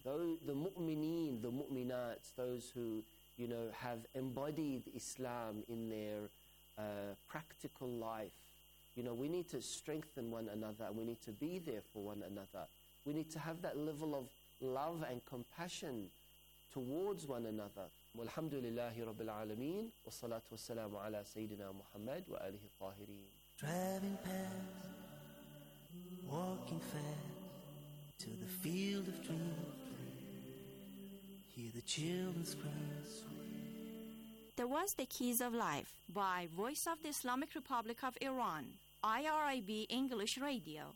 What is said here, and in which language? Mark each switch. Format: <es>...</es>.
<en>Though the mu'mineen, the mu'minats, those who, you know, have embodied Islam in their practical life, you know, we need to strengthen one another and we need to be there for one another. We need to have that level of love and compassion towards one another.</en> <ar>والحمد لله رب العالمين والصلاة والسلام على سيدنا محمد وآله الطاهرين.</ar> <en>Driving past, walking fast to the field of dreams. Hear the children's cries. There was the Keys of Life by Voice of the Islamic Republic of Iran, IRIB English Radio.</en>